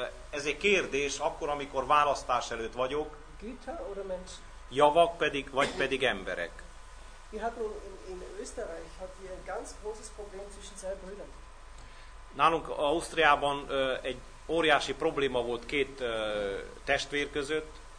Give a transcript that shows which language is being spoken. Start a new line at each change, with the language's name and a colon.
Hungarian: Ez egy kérdés, akkor, amikor választás előtt vagyok.
German: Güter oder Mensch?
Hungarian: Javak pedig, vagy pedig emberek.
German: Wir hatten in Österreich hat wir ein ganz großes Problem zwischen zwei Brüdern.
Hungarian: Nálunk Ausztriában egy óriási probléma volt két testvér között.